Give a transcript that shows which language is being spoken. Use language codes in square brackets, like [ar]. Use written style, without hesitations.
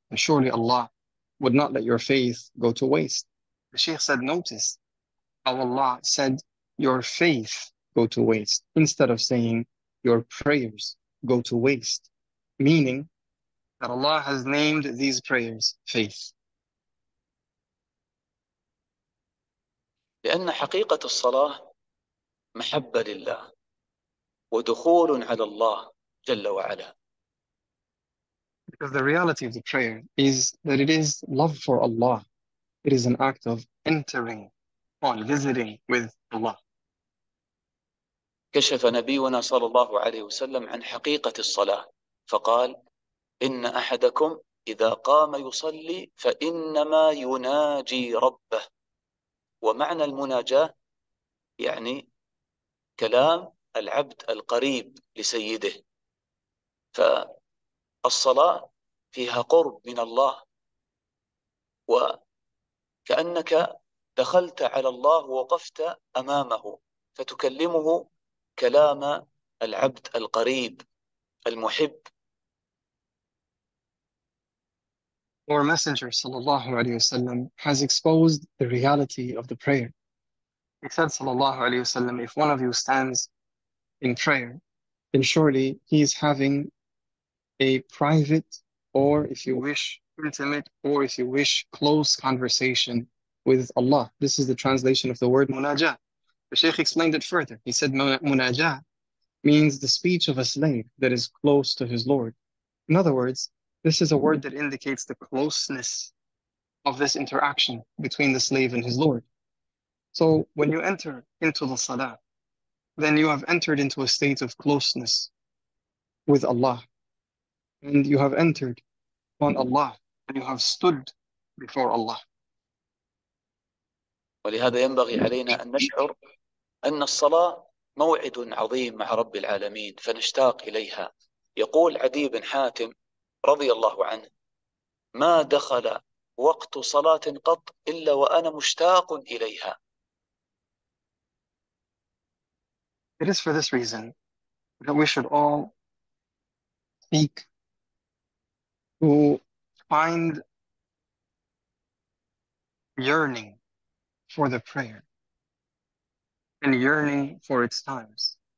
[en] And surely Allah would not let your faith go to waste. The Shaykh said, notice how Allah said your faith go to waste instead of saying your prayers go to waste, meaning that Allah has named these prayers faith. [ar] لأن حقيقة الصلاة محبة لله ودخول على الله جل وعلا. [en] Because the reality of the prayer is that it is love for Allah. It is an act of entering or visiting with Allah. [ar] كشف نبينا صلى الله عليه وسلم عن حقيقة الصلاة فقال إن أحدكم إذا قام يصلي فإنما يناجي ربه. ومعنى المناجاة يعني كلام العبد القريب لسيده. فالصلاة فيها قرب من الله، وكأنك دخلت على الله ووقفت أمامه فتكلمه كلام العبد القريب المحب. [en] Our Messenger sallallahu alaihi wasallam has exposed the reality of the prayer. He said sallallahu alaihi wasallam, if one of you stands in prayer, then surely he is having a private, or if you wish, intimate, or if you wish, close conversation with Allah. This is the translation of the word munajah. The Shaykh explained it further. He said munajah means the speech of a slave that is close to his Lord. In other words, this is a word that indicates the closeness of this interaction between the slave and his Lord. So when you enter into the salah, then you have entered into a state of closeness with Allah. And you have entered on Allah and you have stood before Allah. [ar] ولهذا ينبغي علينا أن نشعر أن الصلاة موعد عظيم مع رب العالمين فنشتاق إليها. يقول عدي بن حاتم رضي الله عنه ما دخل وقت صلاة قط إلا وأنا مشتاق إليها. [en] It is for this reason that we should all seek to find yearning for the prayer and yearning for its times.